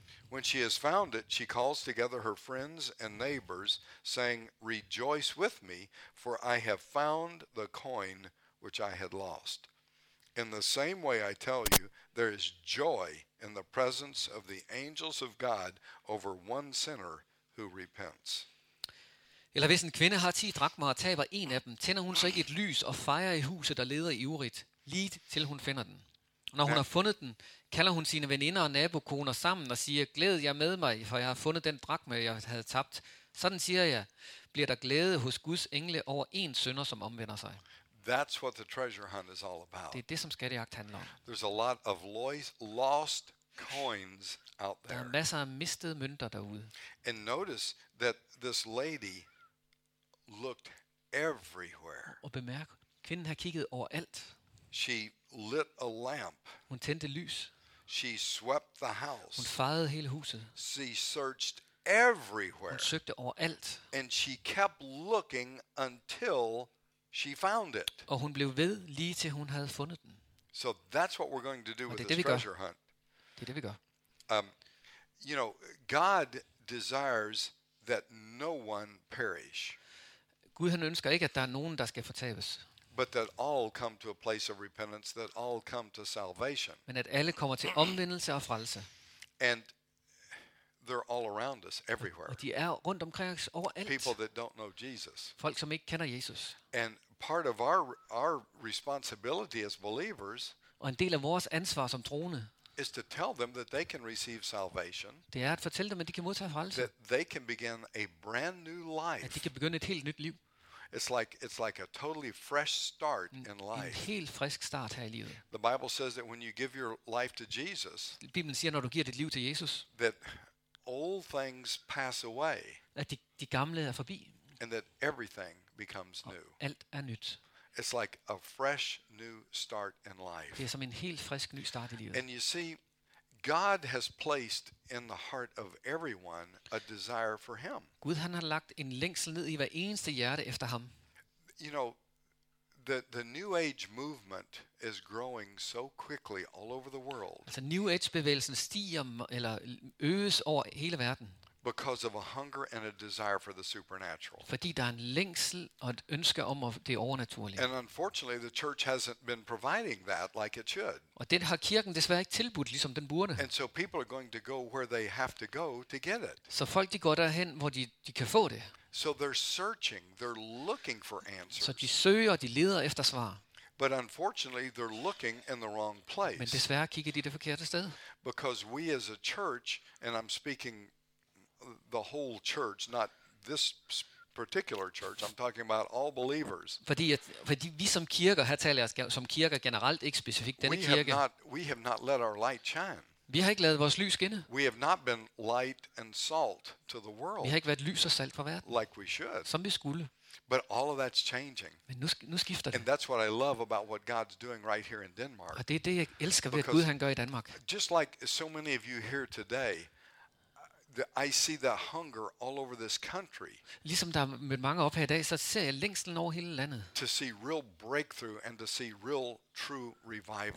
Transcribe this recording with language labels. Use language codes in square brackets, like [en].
[en] When she has found it, she calls together her friends and neighbors, saying, "Rejoice with me, for I have found the coin which I had lost." In the same way, I tell you, there is joy in the presence of the angels of God over one sinner who repents. [da] Eller hvis en kvinde har 10 drakmer og taber en af dem, tænder hun så ikke et lys og fejrer I huset, der leder ivrigt, lige til hun finder den. Og når hun har fundet den, kalder hun sine veninder og nabokoner sammen og siger, glæd jer med mig, for jeg har fundet den drakme, jeg havde tabt. Sådan siger jeg, bliver der glæde hos Guds engle over en synder, som omvender sig. [en] That's what the treasure hunt is all about. [da] Det det, som skattejagt handler om. [en] There's a lot of lost coins out there. [da] Der masser af mistede mønter derude. [en] And notice that this lady looked everywhere. [da] Og bemærk, kvinden har kigget overalt. [en] She lit a lamp. [da] Hun tændte lys. [en] She swept the house. [da] Hun fejede hele huset. [en] She searched everywhere. [da] Hun søgte overalt. [en] And she kept looking until she found it. [da] Og hun blev ved lige til hun havde fundet den. [en] So that's what we're going to do with this treasure hunt. [da] Det er det vi gør. [en] You know, God desires that no one perish. [da] Gud han ønsker ikke at der nogen der skal fortabes. [en] But that all come to a place of repentance, that all come to salvation. [da] Men at alle kommer til omvendelse og frelse. [en] And they're all around us everywhere. [da] Og de er rundt omkring os overalt. [en] People that don't know Jesus. [da] Folk som ikke kender Jesus. [en] And part of our responsibility as believers, [da] og en del af vores ansvar som troende, [en] is to tell them that they can receive salvation. [da] Det at fortælle dem at de kan modtage frelse. [en] That they can begin a brand new life. [da] At de kan begynde et helt nyt liv. [en] It's like a totally fresh start in life. [da] En helt frisk start her I livet. [en] The Bible says that when you give your life to Jesus, [da] Bibelen siger, når du giver dit liv til Jesus, [en] that all things pass away. [da] At de gamle forbi. [en] And that everything becomes new. [da] Alt nyt. [en] It's like a fresh new start in life. [da] Det som en helt frisk ny start I livet. [en] And you see, God has placed in the heart of everyone a desire for him. [da] Gud han har lagt en længsel ned I hver eneste hjerte efter ham. [en] You know, the new age movement is growing so quickly all over the world. [da] Altså new age bevægelsen stiger eller øges over hele verden. [en] Because of a hunger and a desire for the supernatural. [da] Fordi der er en længsel og et ønske om det overnaturlige. [en] And unfortunately, the church hasn't been providing that like it should. [da] Og det har kirken desværre ikke tilbudt ligesom den burde. [en] And so people are going to go where they have to go to get it. [da] Så folk, de går derhen, hvor de kan få det. [en] So they're searching, they're looking for answers. [da] Så de søger og de leder efter svar. [en] But unfortunately, they're looking in the wrong place. [da] Men desværre kigger de det forkerte sted. [en] Because we as a church, and I'm speaking the whole church, not this particular church, I'm talking about all believers. [da] Fordi vi som kirker, her taler jeg som kirker generelt, ikke specifikt denne kirke. [en] We have not let our light shine. [da] Vi har ikke ladet vores lys skinne. [en] We have not been light and salt to the world. [da] Vi har ikke været lys og salt for verden. [en] Like we should. [da] Som vi skulle. [en] But all of that's changing. [da] Men nu skifter det. [en] And that's what I love about what God's doing right here in Denmark. [da] Og det er det, jeg elsker ved, at Gud han gør i Danmark. [en] Just like so many of you here today, I see the hunger all over this country. [da] Ligesom der med mange op her i dag, så ser jeg længslen over hele landet. [en] To see real breakthrough and to see real true revival.